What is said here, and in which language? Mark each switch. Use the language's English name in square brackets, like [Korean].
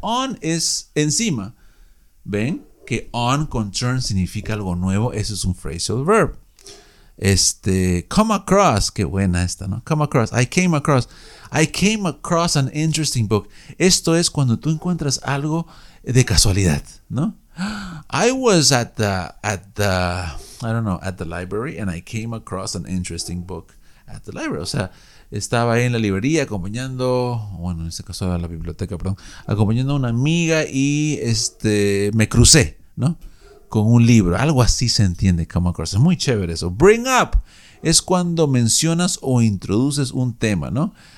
[Spanish] On es encima. ¿Ven? Que on con turn significa algo nuevo. Eso es un phrasal verb. Come across, qué buena esta, ¿no? [English] Come across, I came across an interesting book. [Spanish] Esto es cuando tú encuentras algo de casualidad, ¿no? [English] I was at the library and I came across an interesting book at the library. [Spanish] O sea, estaba ahí en la librería acompañando, bueno, en este caso era la biblioteca, perdón, acompañando a una amiga y me crucé, ¿no? Con un libro, algo así se entiende, come across, es muy chévere eso. Bring up es cuando mencionas o introduces un tema, ¿no?